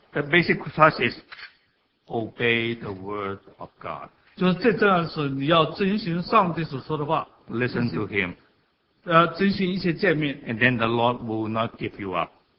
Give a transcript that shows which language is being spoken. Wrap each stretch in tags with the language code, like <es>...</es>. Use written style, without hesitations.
<en>The basic process is obey the word of God.</en> <zh>就是这样是你要遵循上帝所说的话。</zh> <en>Listen to him.</en> <zh>遵循一切诫命。</zh> <en>And then the Lord will not give you up.</en>